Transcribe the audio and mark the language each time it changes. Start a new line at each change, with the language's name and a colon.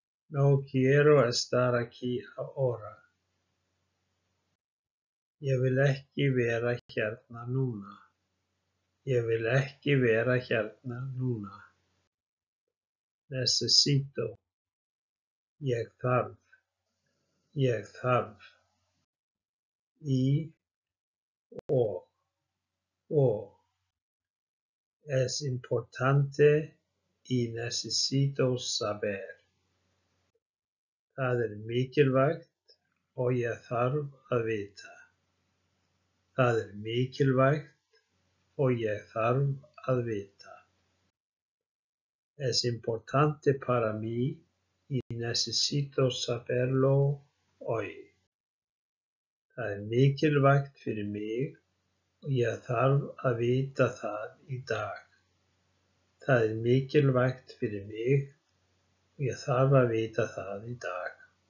Spanish: No quiero estar aquí ahora.
Icelandic: Ég vil ekki vera hérna núna. Ég vil ekki vera hérna núna.
Spanish: Necesito.
Icelandic: Ég þarf. Ég þarf. Í. Og.
Spanish: Es importante y necesito saber.
Icelandic: Það er mikilvægt og ég þarf að vita. Það er mikilvægt og ég þarf að vita.
Spanish: Es importante para mí y necesito saberlo hoy.
Icelandic: Það er mikilvægt fyrir mig og ég þarf að vita það í dag. Það er mikilvægt fyrir mig og ég þarf að vita það í dag.